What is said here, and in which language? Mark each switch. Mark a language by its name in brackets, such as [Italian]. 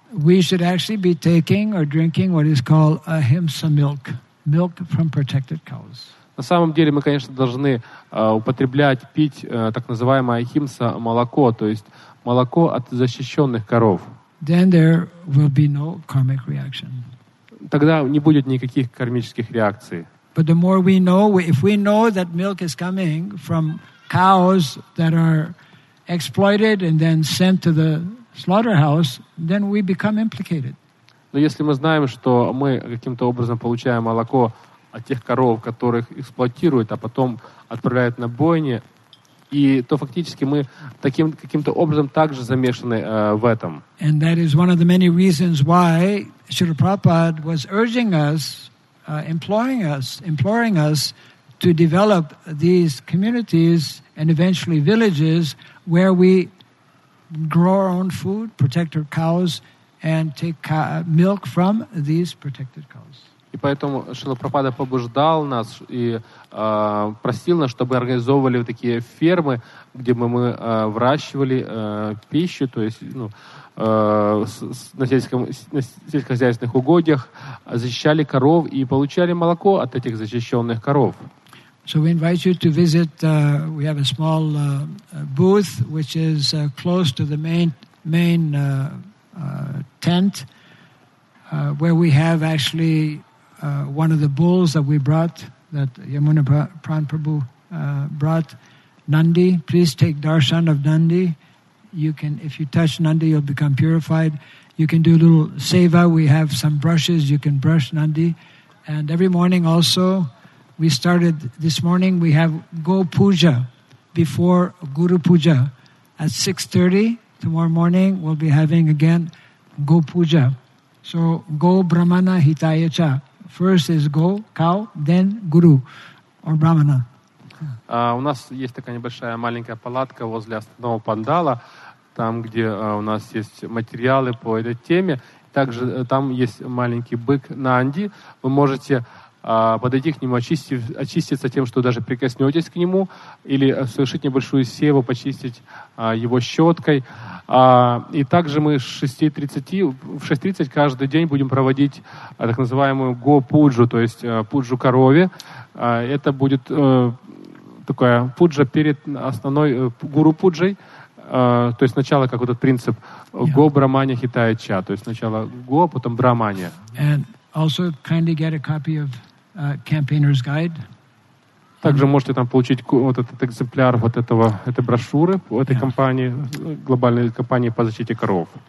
[English] We should actually be taking or drinking what is called ahimsa milk, milk from protected cows. [Russian] На самом деле мы, конечно, должны употреблять, пить так называемое ahimsa молоко, то есть молоко от защищенных коров. [English] Then there will be no karmic reaction. [Russian] Тогда не будет никаких кармических реакций. [English] But the more we know, if we know that milk is coming from cows that are exploited and then sent to the slaughterhouse, then we become implicated. [Russian] Но если мы знаем, что мы каким-то образом получаем молоко от тех коров, которых эксплуатируют, а потом отправляют на бойни, и то фактически мы таким каким-то образом также замешаны в этом. [English] And that is one of the many reasons why Srila Prabhupada was urging us, imploring us to develop these communities and eventually villages where we grow our own food, protect our cows, and take milk from these protected cows. [Russian] И поэтому Шрила Прабхупада побуждал нас и просил нас, чтобы организовывали вот такие фермы, где бы мы выращивали пищу, то есть на сельскохозяйственных угодьях, защищали коров и получали молоко от этих защищенных коров. [English] So we invite you to visit, we have a small booth, which is close to the main tent, where we have actually one of the bulls that we brought, that Yamuna Pran Prabhu brought, Nandi. Please take darshan of Nandi. You can, if you touch Nandi, you'll become purified. You can do a little seva. We have some brushes. You can brush Nandi. And every morning also, we started this morning, we have Go Puja before Guru Puja. At 6:30 tomorrow morning, we'll be having again Go Puja. So [Sanskrit] Go Brahmana Hitaya Cha. [English] First is Go, cow, then Guru or Brahmana. [Russian] У нас есть такая небольшая маленькая палатка возле основного пандала, там, где у нас есть материалы по этой теме. Также там есть маленький бык Нанди. Вы можете подойти к нему, очиститься тем, что даже прикоснетесь к нему, или совершить небольшую севу, почистить его щеткой. И также мы в 6.30 каждый день будем проводить так называемую го-пуджу, то есть пуджу корове. Это будет такая пуджа перед основной гуру-пуджей, то есть сначала, как вот этот принцип [Sanskrit] го-брамания хитая ча, [Russian] то есть сначала го, потом брамания. [English] And also kindly get a copy of campaigner's guide. [Russian] Также можете там получить вот этот экземпляр вот этого, этой брошюры этой компании, глобальной компании по защите коров.